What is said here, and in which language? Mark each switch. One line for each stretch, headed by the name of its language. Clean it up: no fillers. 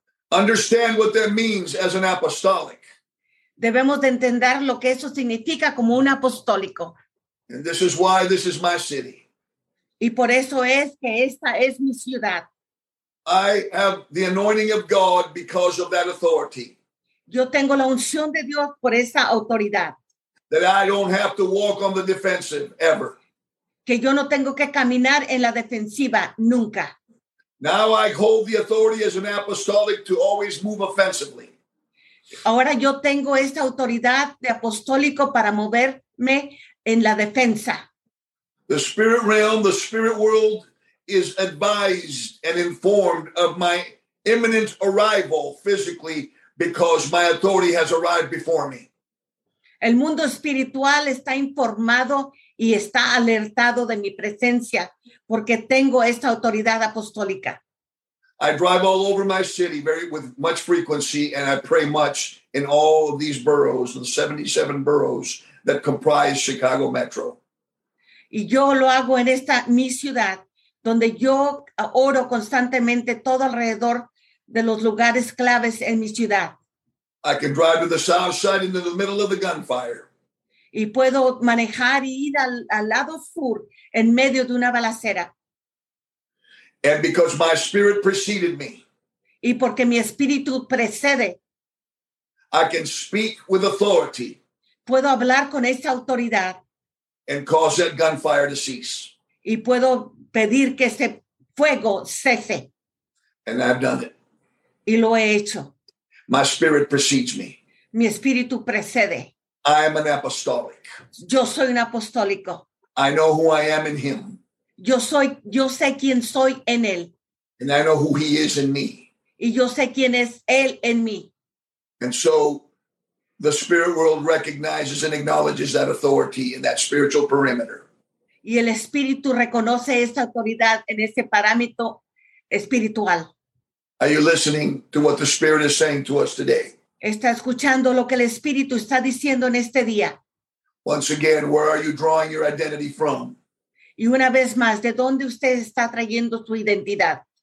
English: Understand what that means as an apostolic.
Spanish: Debemos de entender lo que eso significa como un apostólico.
English: And this is why this is my city.
Spanish: Y por eso es que esta es mi ciudad.
English: I have the anointing of God because of that authority.
Spanish: Yo tengo la unción de Dios por esa autoridad.
English: That I don't have to walk on the defensive ever.
Spanish: Que yo no tengo que caminar en la defensiva nunca.
English: Now I hold the authority as an apostolic to always move offensively.
Spanish: Ahora yo tengo esta autoridad de apostólico para moverme en la defensa.
English: The spirit realm, the spirit world is advised and informed of my imminent arrival physically because my authority has arrived before me.
Spanish: El mundo espiritual está informado y está alertado de mi presencia porque tengo esta autoridad apostólica.
English: I drive all over my city with much frequency, and I pray much in all of these boroughs, the 77 boroughs that comprise Chicago Metro.
Spanish: Y yo lo hago en esta mi ciudad, donde yo oro constantemente todo alrededor de los lugares claves en mi ciudad.
English: I can drive to the south side into the middle of the gunfire.
Spanish: Y puedo manejar y ir al lado sur en medio de una balacera.
English: And because my spirit preceded me.
Spanish: Y porque mi espíritu precede.
English: I can speak with authority.
Spanish: Puedo hablar con esa autoridad.
English: And cause that gunfire to cease.
Spanish: Y puedo pedir que ese fuego cese.
English: And I've done it.
Spanish: Y lo he hecho.
English: My spirit precedes me.
Spanish: Mi espíritu precede.
English: I am an apostolic.
Spanish: Yo soy un apostólico.
English: I know who I am in him.
Spanish: Yo sé quién soy en él.
English: And I know who he is in me.
Spanish: Y yo sé quién es él en mí.
English: And so the spirit world recognizes and acknowledges that authority in that spiritual perimeter.
Spanish: Y el espíritu reconoce esa autoridad en ese parámetro espiritual.
English: Are you listening to what the Spirit is saying to us today?
Spanish: Está escuchando lo que el Espíritu está diciendo en este día.
English: Once again, where are you drawing your identity from?
Spanish: Y una vez más, ¿de dónde usted está trayendo su identidad?